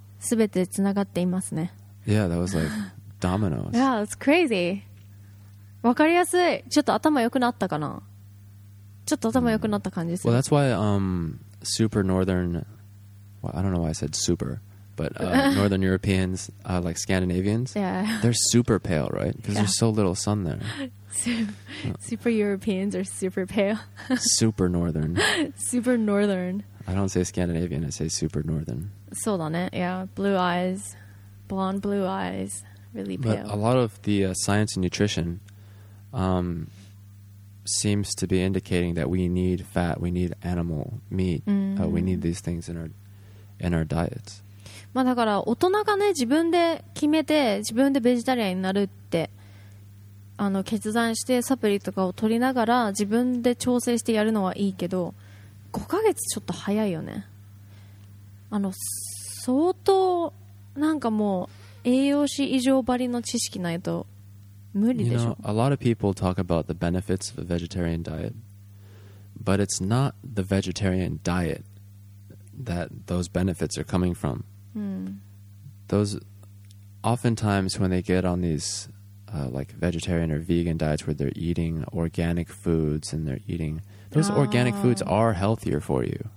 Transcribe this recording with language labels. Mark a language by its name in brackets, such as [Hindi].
[Japanese] 全てつながっていますね。 [English] Yeah, that was like dominoes. Yeah, that's crazy. [Japanese] わかりやすい。ちょっと頭良くなったかな。ちょっと頭良くなった感じする。 [English] Well, that's why super northern. Well, I don't know why I said super. But Northern Europeans, like Scandinavians, they're super pale, right? Because there's so little sun there. Super Europeans are super pale. Super Northern. Super Northern. I don't say Scandinavian, I say super Northern. [Japanese] そうだね, [English] yeah. Blue eyes, blonde blue eyes, really pale. But a lot of the science and nutrition seems to be indicating that we need fat, we need animal meat, we need these things in our diets. [Japanese] まあ、だから大人がね自分で決めて自分でベジタリアンになるってあの決断してサプリとかを取りながら自分で調整してやるのはいいけど5ヶ月ちょっと早いよね。あの相当なんかもう栄養士以上ばりの知識ないと無理でしょ。 [English] You know, a lot of people talk about the benefits of a vegetarian diet, but it's not the vegetarian diet that those benefits are coming from. Those oftentimes when they get on these like vegetarian or vegan diets where they're eating organic foods and they're eating those organic foods are healthier for you,